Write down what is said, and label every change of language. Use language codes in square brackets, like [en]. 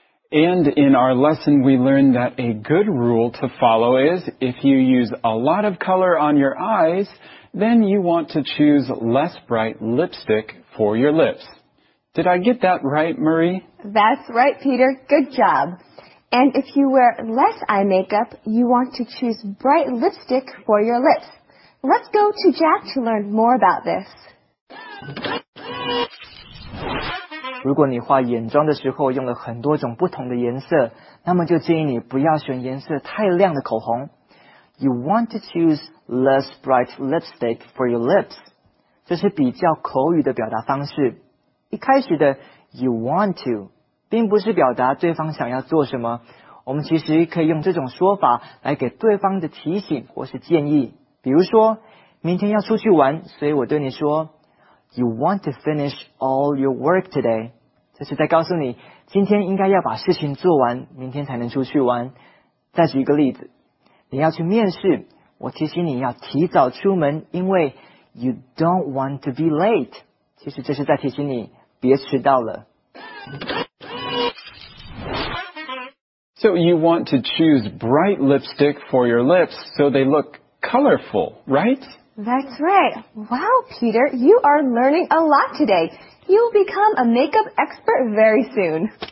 [en] And in our lesson, we learned that a good rule to follow is if you use a lot of color on your eyes, then you want to choose less bright lipstick for your lips. Did I get that right, Marie? That's right, Peter. Good job. And if you wear less eye makeup, you want to choose bright lipstick for your lips. Let's go to Jack to learn more about this. [zh] 如果你化眼妆的时候用了很多种不同的颜色，那么就建议你不要选颜色太亮的口红。 [en] You want to choose less bright lipstick for your lips. [zh] 这是比较口语的表达方式。一开始的 [en] you want to [zh] 并不是表达对方想要做什么，我们其实可以用这种说法来给对方的提醒或是建议。比如说，明天要出去玩，所以我对你说 [en] You want to finish all your work today. [zh] 这是在告诉你，今天应该要把事情做完，明天才能出去玩。再举一个例子，你要去面试，我提醒你要提早出门，因为 [en] You don't want to be late. [zh] 其实这是在提醒你，别迟到了。 [en] So you want to choose bright lipstick for your lips so they look... colorful, right? That's right. Wow, Peter, you are learning a lot today. You'll become a makeup expert very soon.